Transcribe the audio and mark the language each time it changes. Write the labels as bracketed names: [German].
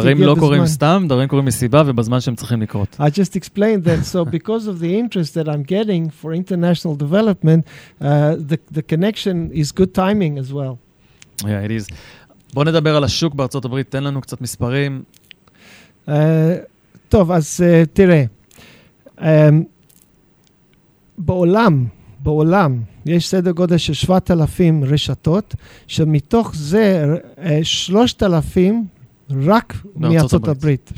[Hebrew] דברים לא קורים סתם, דברים קורים מסיבה, ובזמן שהם צריכים לקרות. [English] I just explained that, so because of the interest that I'm getting for international development, the connection is good timing as well. Yeah, it is. [Hebrew] בוא נדבר על השוק בארצות הברית, תן לנו קצת מספרים. טוב, אז תראה, בעולם יש סדר גודל של 7,000 רשתות, שמתוך זה 3,000 רק מארצות הברית.